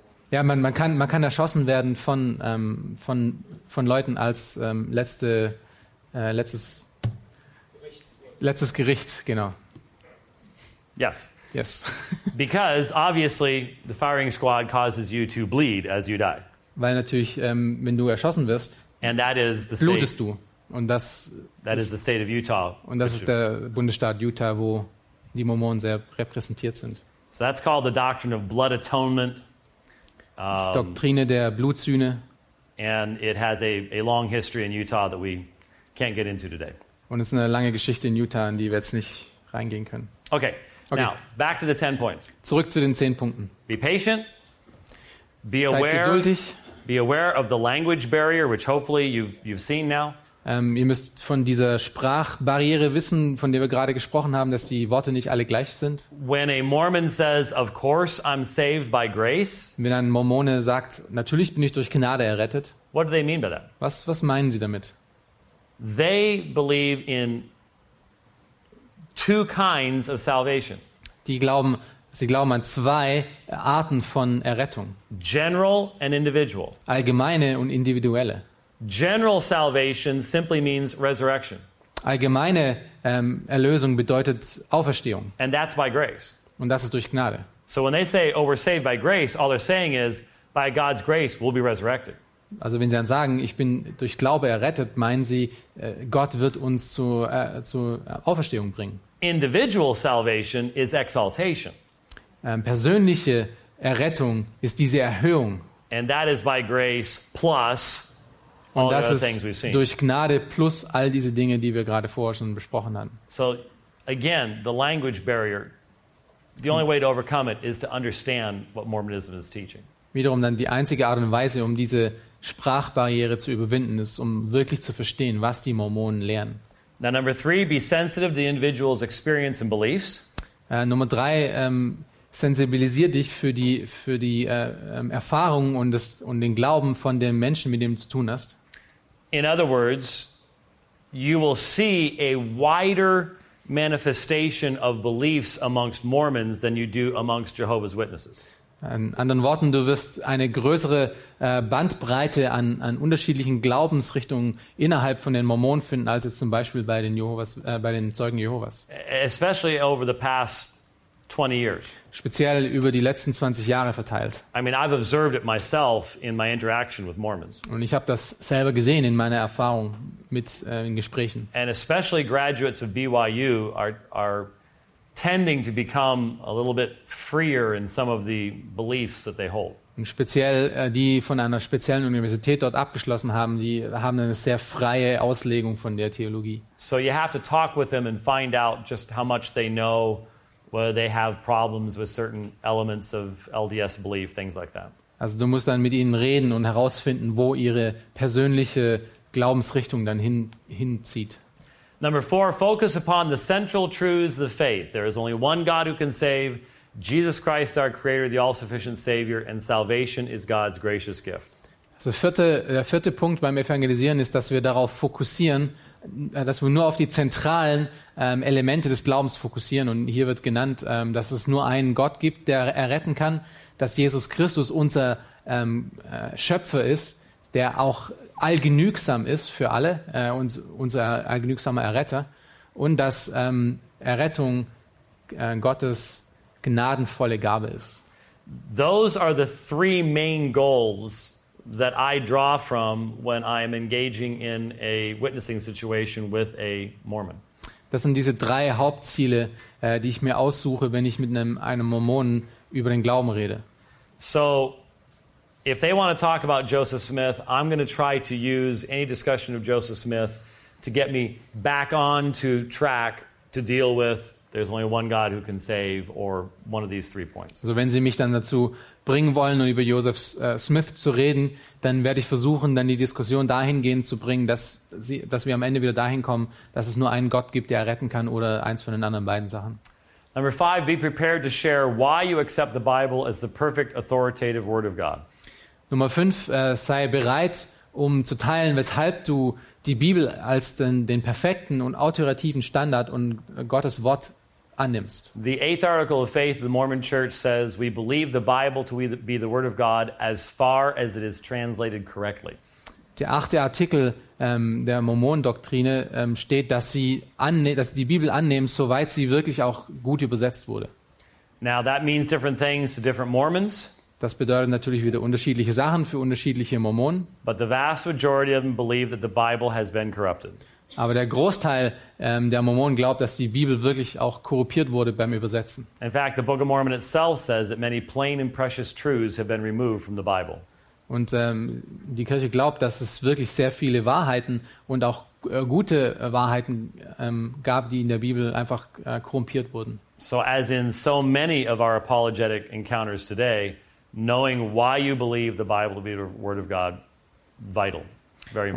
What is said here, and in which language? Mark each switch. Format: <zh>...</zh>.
<de>Man kann erschossen werden von Leuten als letztes Gericht, genau.</de> <en>Yes. Because obviously the firing squad causes you to bleed as you die.</en> <de>Weil natürlich wenn du erschossen wirst,</de> <en>and that is the state.</en> <de>Blutest du. Und das</de> <en>that is the state of Utah.</en> <de>Und das ist der Bundesstaat Utah, wo die Mormonen sehr repräsentiert sind.</de> <en>So that's called the doctrine of blood atonement.</en> <de>Das ist Doktrine der Blutsühne.</de> <en>And it has a long history in Utah that we can't get into today.</en> <de>Und es ist eine lange Geschichte in Utah, in die wir jetzt nicht reingehen können.</de> <en>Okay. Now, back to the 10 points.</en> <de>Zurück zu den 10 Punkten.</de> <en>Be patient. Be aware.</en> <de>Seid geduldig.</de> <en>Be aware of the language barrier, which hopefully you've seen now.</en> <de>Ihr müsst von dieser Sprachbarriere wissen, von der wir gerade gesprochen haben, dass die Worte nicht alle gleich sind.</de> <en>When a Mormon says, "Of course, I'm saved by grace."</en> <de>Wenn ein Mormone sagt, natürlich bin ich durch Gnade errettet.</de> <en>What do they mean by that?</en> <de>Was meinen sie damit?</de> <en>They believe in two kinds of salvation.</en> <de>Sie glauben an zwei Arten von Errettung.</de> <en>General and individual.</en> <de>Allgemeine und individuelle.</de> <en>General salvation simply means resurrection.</en> <de>Allgemeine Erlösung bedeutet Auferstehung.</de> <en>And that's by grace.</en> <de>Und das ist durch Gnade.</de> <en>So when they say, "Oh, we're saved by grace," all they're saying is, by God's grace, we'll be resurrected.</en> <de>Also wenn sie dann sagen, ich bin durch Glaube errettet, meinen sie, Gott wird uns zur Auferstehung bringen.</de> <en>Individual salvation is exaltation.</en> <de>Persönliche Errettung ist diese Erhöhung.</de> <en>And that is by grace plus.</en> <de>Und das ist durch Gnade plus all diese Dinge, die wir gerade vorher schon besprochen haben.</de> <en>So, again, the language barrier. The only way to overcome it is to understand what Mormonism is teaching.</en> <de>Wiederum dann die einzige Art und Weise, um diese Sprachbarriere zu überwinden, ist, um wirklich zu verstehen, was die Mormonen lernen.</de> <en>Now, number three, be sensitive to the individual's experience and beliefs.</en> <de>Nummer drei, sensibilisier dich für die Erfahrungen und den Glauben von dem Menschen, mit dem du zu tun hast.</de> <en>In other words, you will see a wider manifestation of beliefs amongst Mormons than you do amongst Jehovah's Witnesses.</en> <de>In anderen Worten, du wirst eine größere Bandbreite an unterschiedlichen Glaubensrichtungen innerhalb von den Mormonen finden als jetzt zum Beispiel bei den Zeugen Jehovas.</de> <en>Especially over the past 20 years.</en> <de>Speziell über die letzten 20 Jahre verteilt.</de> <en>I mean, I've observed it myself in my interaction with Mormons.</en> <de>Und ich habe das selber gesehen in meiner Erfahrung mit in Gesprächen.</de> <en>And especially graduates of BYU are tending to become a little bit freer in some of the beliefs that they hold.</en> <de>Und speziell die von einer speziellen Universität dort abgeschlossen haben, die haben eine sehr freie Auslegung von der Theologie.</de> <en>So you have to talk with them and find out just how much they know. Whether they have problems with certain elements of LDS belief, things like that.</en> <de>Also, du musst dann mit ihnen reden und herausfinden, wo ihre persönliche Glaubensrichtung dann hinzieht.</de> <en>Number four, focus upon the central truths of the faith. There is only one God who can save, Jesus Christ, our Creator, the all-sufficient Savior, and salvation is God's gracious gift.</en> <de>Der vierte Punkt beim Evangelisieren ist, dass wir darauf fokussieren, dass wir nur auf die zentralen Elemente des Glaubens fokussieren. Und hier wird genannt, dass es nur einen Gott gibt, der erretten kann, dass Jesus Christus unser Schöpfer ist, der auch allgenügsam ist für alle, unser allgenügsamer Erretter, und dass Errettung Gottes gnadenvolle Gabe ist.</de> <en>Those are the three main goals that I draw from when I am engaging in a witnessing situation with a Mormon.</en> <de>Das sind diese drei Hauptziele, die ich mir aussuche, wenn ich mit einem Mormonen über den Glauben rede.</de> <en>So, if they want to talk about Joseph Smith, I'm going to try to use any discussion of Joseph Smith to get me back on to track to deal with there's only one God who can save or one of these three points.</en> <de>Also wenn Sie mich dann dazu bringen wollen, um über Joseph Smith zu reden, dann werde ich versuchen, dann die Diskussion dahingehend zu bringen, dass wir am Ende wieder dahin kommen, dass es nur einen Gott gibt, der retten kann, oder eins von den anderen beiden Sachen.</de> <en>Number five, be prepared to share why you accept the Bible as the perfect authoritative word of God.</en> <de>Nummer fünf, sei bereit, um zu teilen, weshalb du die Bibel als den perfekten und autoritativen Standard und Gottes Wort annimmst.</de> <en>The eighth article of faith of the Mormon Church says we believe the Bible to be the word of God as far as it is translated correctly.</en> <de>Der achte Artikel der Mormonendoktrine steht, dass sie die Bibel annehmen, soweit sie wirklich auch gut übersetzt wurde.</de> <en>Now that means different things to different Mormons.</en> <de>Das bedeutet natürlich wieder unterschiedliche Sachen für unterschiedliche Mormonen.</de> <en>But the vast majority of them believe that the Bible has been corrupted.</en> <de>Aber der Großteil der Mormonen glaubt, dass die Bibel wirklich auch korrupiert wurde beim Übersetzen.</de> <en>In fact, the Book of Mormon itself says that many plain and precious truths have been removed from the Bible.</en> <de>Und die Kirche glaubt, dass es wirklich sehr viele Wahrheiten und auch gute Wahrheiten gab, die in der Bibel einfach korrumpiert wurden.</de> <en>So as in so many of our apologetic encounters today, knowing why you believe the Bible to be the word of God, vital, very important.</en>